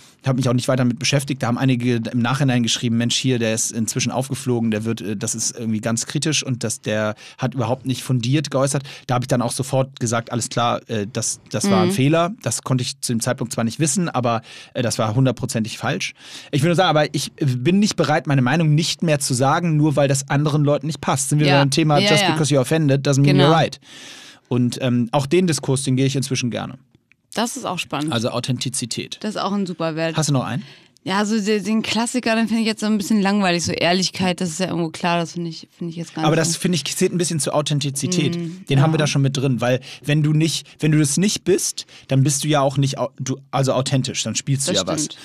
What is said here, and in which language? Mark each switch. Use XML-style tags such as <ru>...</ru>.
<de>Ich habe mich auch nicht weiter damit beschäftigt. Da haben einige im Nachhinein geschrieben, Mensch, hier, der ist inzwischen aufgeflogen, der wird, das ist irgendwie ganz kritisch und das, der hat überhaupt nicht fundiert geäußert. Da habe ich dann auch sofort gesagt, alles klar, das war ein Fehler. Das konnte ich zu dem Zeitpunkt zwar nicht wissen, aber das war hundertprozentig falsch. Ich will nur sagen, aber ich bin nicht bereit, meine Meinung nicht mehr zu sagen, nur weil das anderen Leuten nicht passt. Sind wir beim Thema,</de> <en>just because you're offended, doesn't mean you're right.</en> <de>Und auch den Diskurs, den gehe ich inzwischen gerne. Das ist auch spannend. Also Authentizität. Das ist auch ein super Wert. Hast du noch einen? Ja, so den Klassiker, den finde ich jetzt so ein bisschen langweilig. So Ehrlichkeit, das ist ja irgendwo klar, das finde ich jetzt gar nicht. Aber das, finde ich, zählt ein bisschen zur Authentizität. Den haben wir da schon mit drin, weil wenn du das nicht bist, dann bist du ja auch nicht authentisch, dann spielst du was.</de>